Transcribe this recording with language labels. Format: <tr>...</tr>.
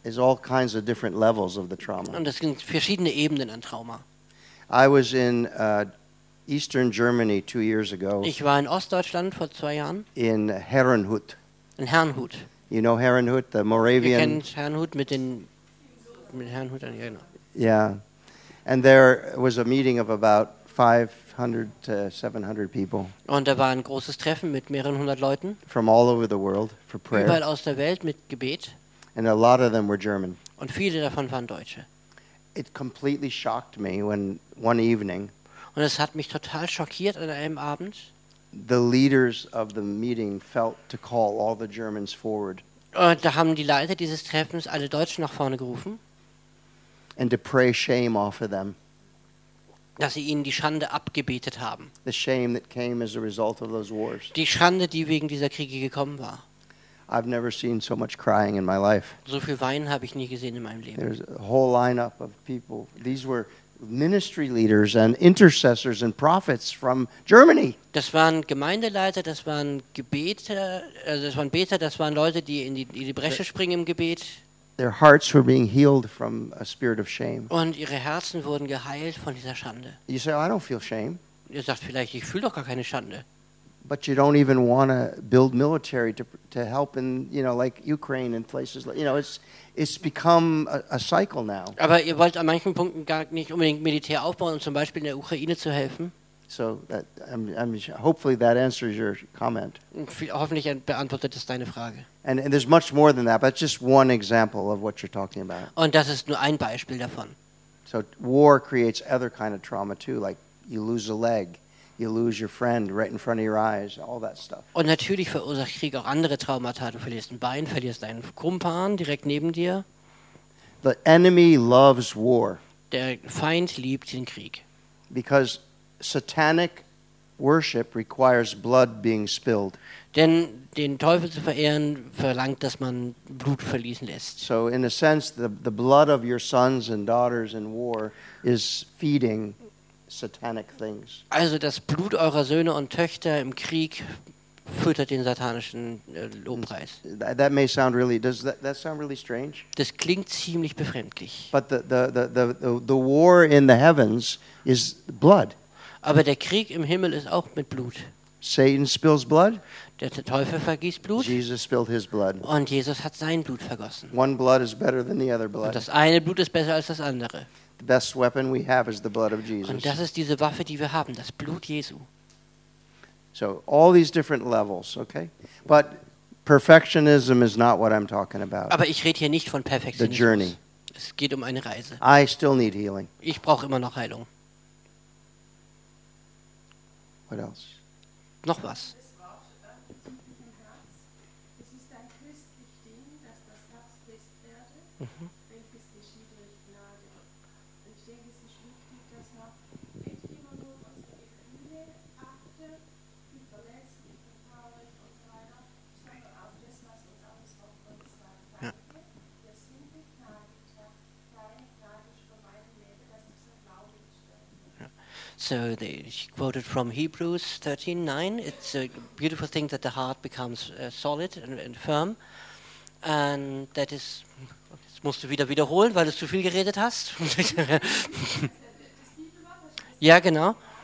<en>There's all kinds of different levels of the trauma.</en> <de>Und es gibt verschiedene Ebenen an Trauma.</de> <en>I was in Eastern Germany 2 years ago.</en> <de>Ich war in Ostdeutschland vor 2 Jahren.</de> <en>In Herrenhut.</en> <de>In Herrenhut.</de> <en>You know Herrenhut, the Moravian.</en> <de>Ihr kennt Herrenhut mit Herrenhut an Jena.</de> <en>Yeah, and there was a meeting of about 500 to 700 people.</en> <de>Und da war ein großes Treffen mit mehreren hundert Leuten.</de> <en>From all over the world for prayer.</en> <de>Überall aus der Welt mit Gebet.</de> <en>And a lot of them were German.</en> <de>Und viele davon waren Deutsche.</de> <en>It completely shocked me when one evening.</en> <de>Und es hat mich total schockiert an einem Abend.</de> <en>The leaders of the meeting felt to call all the Germans forward.</en> <de>Und da haben die Leiter dieses Treffens alle Deutschen nach vorne gerufen.</de> <en>And to pray shame off of them.</en> <de>Dass sie ihnen die Schande abgebetet haben.</de> <en>The shame that came as a result of those wars.</en> <de>Die Schande, die wegen dieser Kriege gekommen war.</de> <en>I've never seen so much crying in my life.</en> <de>So viel Weinen habe ich nie gesehen in meinem Leben.</de> <en>There's a whole lineup of people. These were ministry leaders and intercessors and prophets from Germany.</en> <de>Das waren Gemeindeleiter, das waren Gebete, also das waren Beter, das waren Leute, die in die Bresche springen im Gebet.</de> <en>Their hearts were being healed from a spirit of shame.</en> <de>Und ihre Herzen wurden geheilt von dieser Schande.</de> <en>You say, oh, I don't feel shame.</en> <de>Ihr sagt vielleicht, ich fühle doch gar keine Schande.</de> <en>But you don't even want to build military to help in, you know, like Ukraine and places like, you know, it's become a cycle now.</en> <de>Aber ihr wollt an manchen Punkten gar nicht unbedingt Militär aufbauen, um zum Beispiel in der Ukraine zu helfen.</de> <en>So that hopefully that answers your comment.</en> <de>Hoffentlich beantwortet es deine Frage.</de> <en>And there's much more than that, but it's just one example of what you're talking about.</en> <de>Und das ist nur ein Beispiel davon.</de> <en>So war creates other kind of trauma too, like you lose a leg, you lose your friend right in front of your eyes, all that stuff.</en> <de>Und natürlich verursacht Krieg auch andere Traumata. Du verlierst ein Bein, verlierst deinen Kumpan direkt neben dir.</de> <en>The enemy loves war.</en> <de>Der Feind liebt den Krieg.</de> <en>Because satanic worship requires blood being spilled.</en> <de>Denn den Teufel zu verehren verlangt, dass man Blut verließen lässt.</de> <en>So in a sense the blood of your sons and daughters in war is feeding satanic things.</en> <de>Also das Blut eurer Söhne und Töchter im Krieg füttert den satanischen Lobpreis.</de> <en>That may sound really, does that sound really strange?</en> <de>Das klingt ziemlich befremdlich.</de> <en>But the war in the heavens is blood.</en> <de>Aber der Krieg im Himmel ist auch mit Blut.</de> <en>Satan spills blood.</en> <de>Der Teufel vergießt Blut.</de> <en>Jesus spilled his blood.</en> <de>Und Jesus hat sein Blut vergossen.</de> <en>One blood is better than the other blood.</en> <de>Und das eine Blut ist besser als das andere.</de> <en>The best weapon we have is the blood of Jesus.</en> <de>Und das ist diese Waffe, die wir haben, das Blut Jesu.</de> <en>So all these different levels, okay? But perfectionism is not what I'm talking about.</en> <de>Aber ich rede hier nicht von Perfektionismus.</de> <en>The journey.</en> <de>Es geht um eine Reise.</de> <en>I still need healing.</en> <de>Ich brauche immer noch Heilung.</de> <en>What else?</en> <de>Noch was?</de> <en>So she quoted from Hebrews 13:9. It's a beautiful thing that the heart becomes solid and firm. And that is,</en> <de>jetzt musst du wieder wiederholen, weil du zu viel geredet hast. Ja, genau.</de>